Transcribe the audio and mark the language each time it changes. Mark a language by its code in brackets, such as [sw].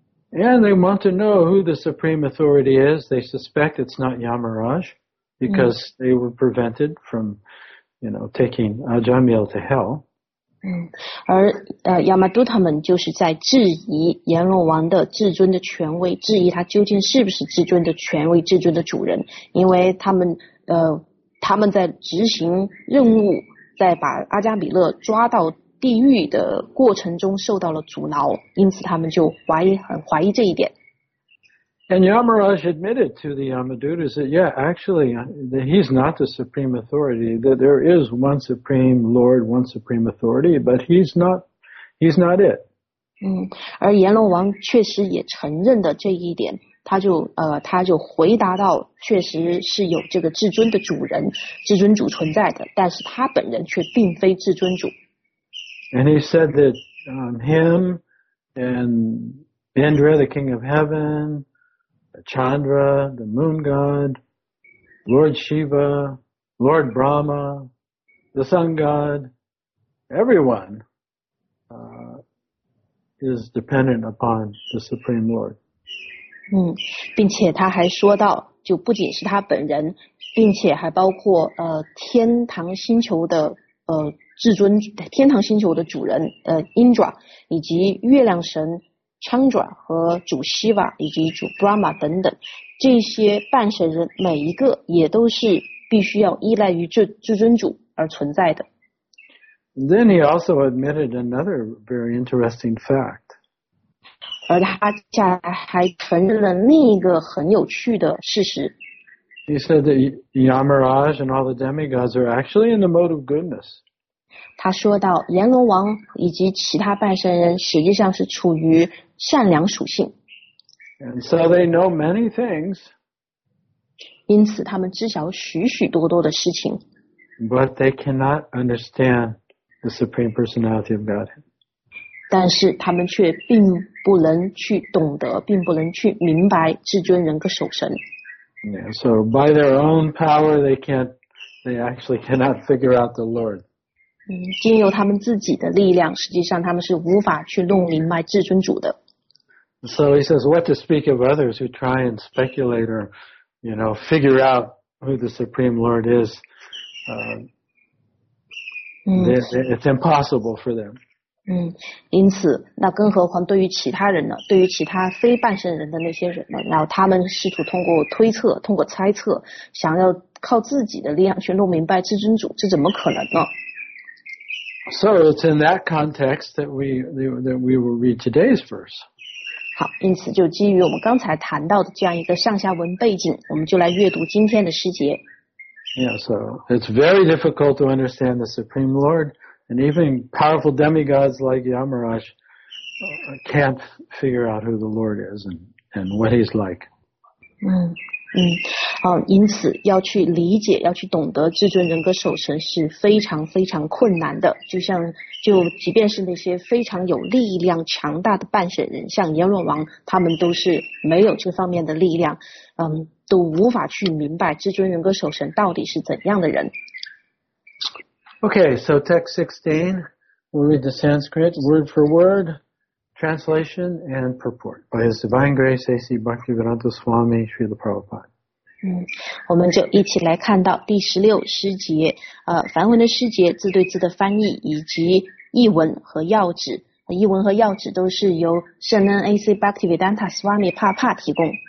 [en] And they want to know who the supreme authority is. They suspect it's not Yamaraj because they were prevented from, you know, taking Ajamil to hell. [zh] 而Yamadut 他们就是在质疑阎罗王的至尊的权威，质疑他究竟是不是至尊的权威、至尊的主人，因为他们在执行任务，在把阿加米勒抓到地狱的过程中受到了阻挠，因此他们就很怀疑这一点。 [en] And Yamaraj admitted to the Yamadutas that, yeah, actually, he's not the supreme authority, that there is one supreme lord, one supreme authority, but he's not it. [zh] 而阎罗王确实也承认的这一点，他就回答到，确实是有这个至尊的主人，至尊主存在的，但是他本人却并非至尊主。 [en] And he said that him and Indra, the king of heaven,Chandra, the moon god, Lord Shiva, Lord Brahma, the sun god, everyone, is dependent upon the Supreme Lord. [zh] 并且他还说到，就不仅是他本人，并且还包括天堂星球的至尊，天堂星球的主人Indra, 以及月亮神Chandra 和主 Shiva 以及主 Brahma 等等，这些半神人每一个也都是必须要依赖于至尊主而存在的。 [en] Then he also admitted another very interesting fact. [zh] 而他下来还承认了另一个很有趣的事实。 [en] He said that Yamaraj and all the demigods are actually in the mode of goodness. [zh] 他说到阎罗王以及其他半神人实际上是处于善良属性。 [en] And so they know many things. [zh] 因此他们知晓许许多多的事情。 [en] But they cannot understand the Supreme Personality of Godhead. [zh] 但是他们却并不能去懂得，并不能去明白至尊人格守神。 [en] Yeah, so by their own power, they actually cannot figure out the Lord. [zh] 经由他们自己的力量，实际上他们是无法去弄明白至尊主的。 [en] So he says, what to speak of others who try and speculate or, you know, figure out who the Supreme Lord is? It's impossible for them. [zh] 因此，那更何况对于其他人呢？对于其他非半圣人的那些人呢？然后他们试图通过推测、通过猜测，想要靠自己的力量去弄明白至尊主，这怎么可能呢？ [en] So it's in that context that we will read today's verse. [zh] 好，因此就基于我们刚才谈到的这样一个上下文背景，我们就来阅读今天的诗节。 [en] Yeah, so it's very difficult to understand the Supreme Lord, and even powerful demigods like Yamaraj can't figure out who the Lord is and what he's like. [zh] 因此要去理解，要去懂得至尊人格守神是非常非常困难的。就即便是那些非常有力量强大的半神人，像阎罗王，他们都是没有这方面的力量，都无法去明白至尊人格守神到底是怎样的人。 [en] Okay, so text 16, we'll read the Sanskrit word for word. Translation and purport by His Divine Grace A.C. Bhaktivedanta Swami Srila Prabhupada. [zh] 我们就一起来看到第十六诗节，梵文的诗节字对字的翻译以及译文和要旨，译文和要旨都是由圣恩 A.C. Bhaktivedanta Swami Prabhupada 提供。